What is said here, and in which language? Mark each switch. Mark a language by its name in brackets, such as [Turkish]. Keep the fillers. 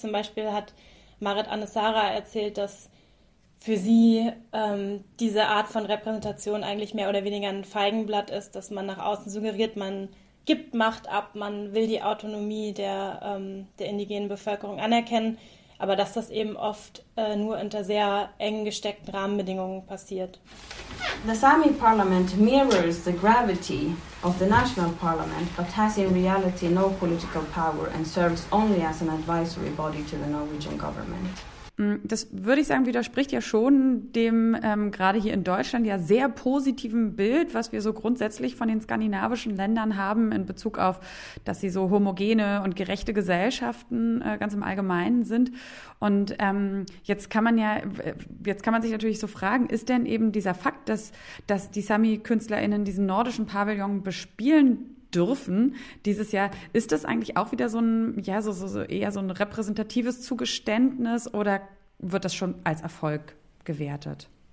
[German] Zum Beispiel hat Marit Anne Sara erzählt, dass für sie ähm, diese Art von Repräsentation eigentlich mehr oder weniger ein Feigenblatt ist, dass man nach außen suggeriert, man gibt Macht ab, man will die Autonomie der, ähm, der indigenen Bevölkerung anerkennen, aber dass das eben oft äh, nur unter sehr eng gesteckten Rahmenbedingungen passiert. [English] The Sami Parliament mirrors the gravity of the National Parliament, in reality no political power and serves only as an advisory body to the Norwegian government. [German] Das würde ich sagen, widerspricht ja schon dem ähm, gerade hier in Deutschland ja sehr positiven Bild, was wir so grundsätzlich von den skandinavischen Ländern haben in Bezug auf, dass sie so homogene und gerechte Gesellschaften äh, ganz im Allgemeinen sind. Und ähm, jetzt kann man ja, jetzt kann man sich natürlich so fragen, ist denn eben dieser Fakt, dass, dass die Sami-KünstlerInnen diesen nordischen Pavillon bespielen Dürfen, dieses Jahr ist das eigentlich auch wieder so ein ja, so, so, so eher so ein repräsentatives Zugeständnis oder wird das schon als Erfolg gewertet?